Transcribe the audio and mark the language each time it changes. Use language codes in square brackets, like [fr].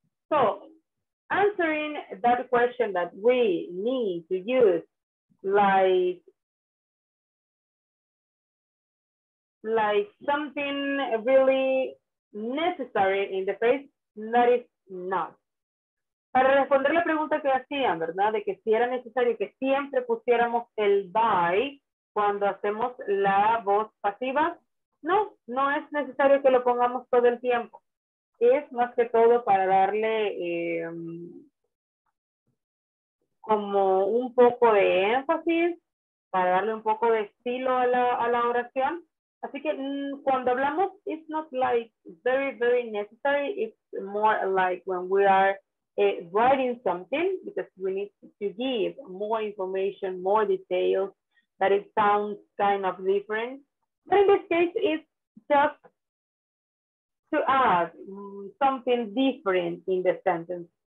[en] So answering that question that we need to use like something really necessary in the phrase, that is not. [es] Para responder la pregunta que hacían, ¿verdad? De que si era necesario que siempre pusiéramos el by cuando hacemos la voz pasiva, no, no es necesario que lo pongamos todo el tiempo. Es más que todo para darle como un poco de énfasis, para darle un poco de estilo a la oración. Así que cuando hablamos, [en] it's not like very, very necessary. It's more like when we are writing something, because we need to give more information, more details, that it sounds kind of different. But in this case, it's just to add something different in the sentence.